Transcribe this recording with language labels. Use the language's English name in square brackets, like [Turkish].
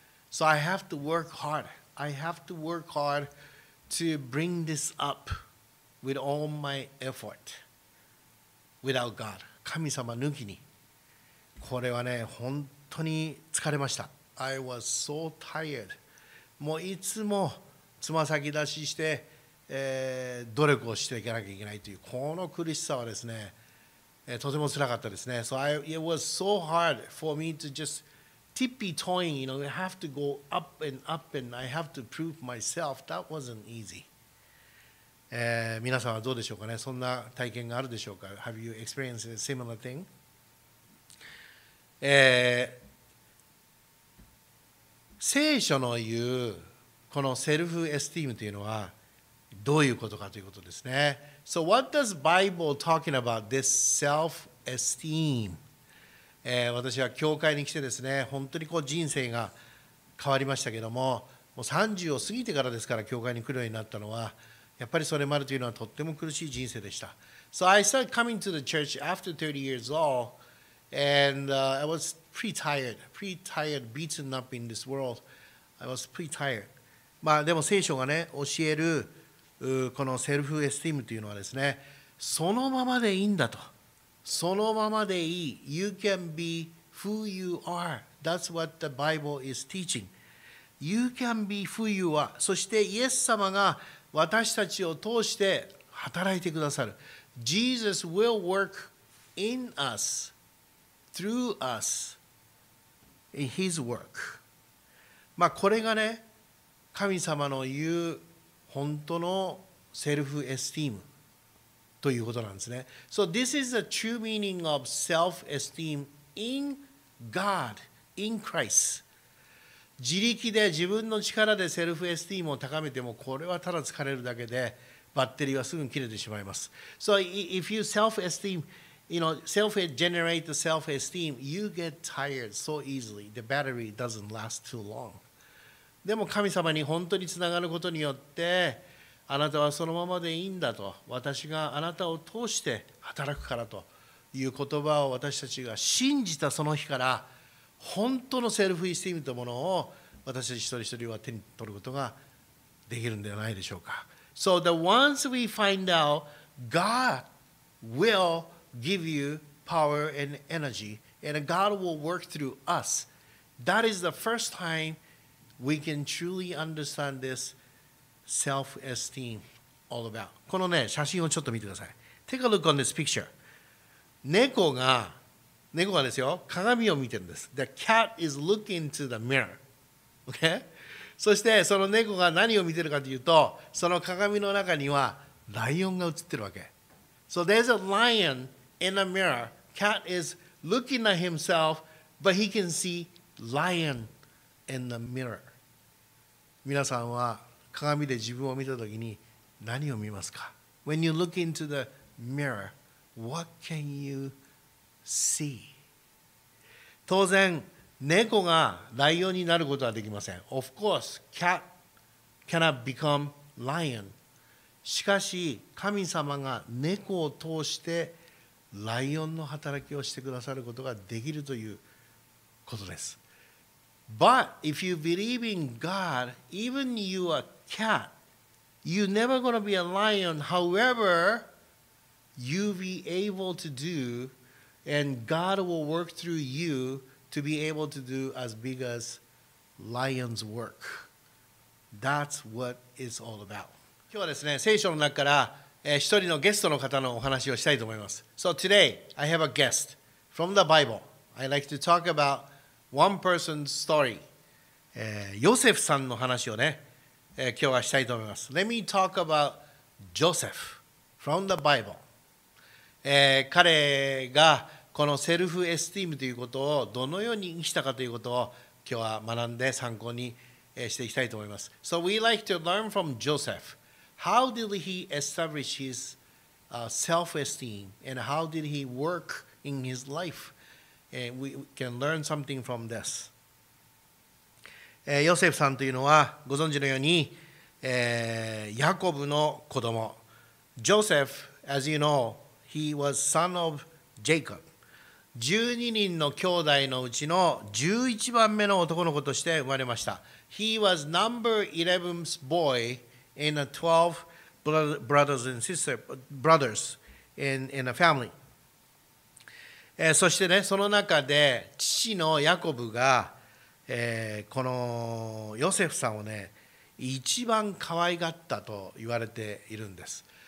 [English] So I have to work hard. I have to work hard to bring this up with all my effort. Without God. [Japanese] 神様抜きに。これはね、本当に疲れました。 [English] I was so tired. [Japanese] もういつもつま先出しして、努力をしていかなきゃいけないという、この苦しさはですね、とても辛かったですね。 [English] So it was so hard for me to justTippy-toeing, you know, I have to go up and up and I have to prove myself. That wasn't easy. [Japanese] 皆さんはどうでしょうかね。そんな体験があるでしょうか。 [English] Have you experienced a similar thing?、 [Japanese] 聖書の言うこのセルフエスティームというのはどういうことかということですね。 [English] So what does Bible talking about this self-esteem?、 [Japanese] 私は教会に来てですね、本当にこう人生が変わりましたけども、もう30を過ぎてからですから教会に来るようになったのは、やっぱりそれまでというのはとっても苦しい人生でした。 [English] So I started coming to the church after 30 years old, and、I was pretty tired, beaten up in this world. I was pretty tired. [Japanese] まあでも聖書がね、教えるこのセルフエスティームというのはですね、そのままでいいんだと。そのままでいい。 [English] You can be who you are. That's what the Bible is teaching. You can be who you are. [Japanese] そしてイエス様が私たちを通して働いてくださる。 [English] Jesus will work in us, through us, in His work. [Japanese] まあこれがね、神様の言う本当のセルフエスティームということなんですね。 [English] So this is the true meaning of self-esteem in God, in Christ. [Japanese] 自力で自分の力でセルフエスティームを高めても、これはただ疲れるだけでバッテリーはすぐに切れてしまいます。 [English] So if you self-esteem, you know, self-generate the self-esteem, you get tired so easily. The battery doesn't last too long. [Japanese] でも神様に本当につながることによって、あなたはそのままでいいんだと、私があなたを通して働くからという言葉を私たちが信じたその日から、本当のセルフエスティームというものを私たち一人一人は手に取ることができるんではないでしょうか。 [English] So the once we find out, God will give you power and energy, and God will work through us. That is the first time we can truly understand this self-esteem all about. [Japanese] このね、写真をちょっと見てください。 [English] Take a look on this picture. [Japanese] 猫がですよ、鏡を見てるんです。 [English] The cat is looking to the mirror. Okay? [Japanese] そしてその猫が何を見てるかというと、その鏡の中にはライオンが映ってるわけ。 [English] So there's a lion in a mirror. Cat is looking at himself, but he can see lion in the mirror. [Japanese] 皆さんは鏡で自分を見たときに何を見ますか? [English] When you look into the mirror, what can you see? See. [Japanese] 当然猫がライオンになることはできません。 [English] Of course, cat cannot become lion. [Japanese] しかし神様が猫を通してライオンの働きをしてくださることができるということです。 [English] But if you believe in God, even you are cat, you're never going to be a lion. However, you'll be able to doAnd God will work through you to be able to do as big as lion's work. That's what it's all about. [Japanese] 今日はですね、聖書の中から、一人のゲストの方のお話をしたいと思います。 [English] So today, I have a guest from the Bible. I'd like to talk about one person's story. [Japanese] ヨセフさんの話をね、今日はしたいと思います。 [English] Let me talk about Joseph from the Bible. [Japanese] 彼がこのセルフエスティームということをどのように生きたかということを今日は学んで参考にしていきたいと思います。 [English] So we like to learn from Joseph. How did he establish his self-esteem? And how did he work in his life? And we can learn something from this. [Japanese] ヨセフさんというのはご存知のように、ヤコブの子供。 [English] Joseph, as you know, he was son of Jacob. [Japanese] 12人の兄弟のうちの11番目の男の子として生まれました。 [English] He was number 11th boy in a 12 brothers and sisters, brothers in a family. [Japanese] そしてね、その中で父のヤコブが、このヨセフさんをね、一番可愛がったと言われているんです。